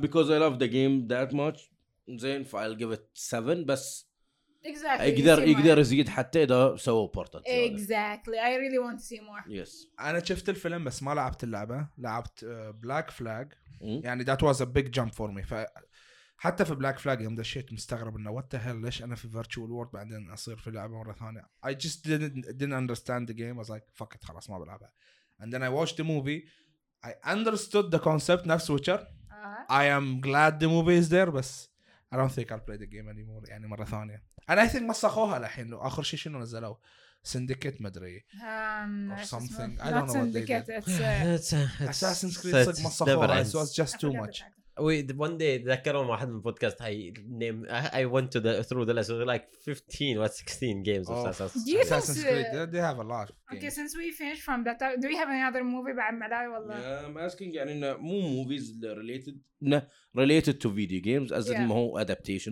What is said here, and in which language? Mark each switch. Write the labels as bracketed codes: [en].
[en] Because I love the game that much, then I'll give it 7. But exactly. [ar] يقدر يزيد حتى إذا سووا بورتات. [en] Exactly. I really want to see more. Yes. [ar] أنا شفت الفيلم بس ما لعبت اللعبة. [en] لعبت Black Flag. يعني that was a big jump for me. [ar] حتى في Black Flag يوم دشيت مستغرب إنه [en] what the hell [ar] ليش أنا في Virtual World بعدين أصير في اللعبة مرة ثانية. [en] I just didn't understand the game. I was like fuck it [ar] خلاص ما بلعبها. [en] And then I watched the movie. I understood the concept نفس Witcher. I am glad the movie is there, but I don't think I'll play the game anymore. [ar] يعني مرة ثانية. [en] And I think [ar] مسخوها الحين. آخر شيء شنو نزلوا؟ Syndicate مدري. [en] Or something. I don't know what they did. Assassin's Creed like مسخوها. It was just too much. Wait, one day [ar] ذكروا واحد من بودكاست. [en] I went to the through the list. It was like 15 or 16 games of Assassin's Creed. Assassin's Creed. They have a lot. Of games. Okay, since we finished from that, do we have any other movie [ar] بعد ملاي والله؟ [en] Yeah, I'm asking. [ar] يعني مو [en] movies related. Related to video games as in هو adaptation.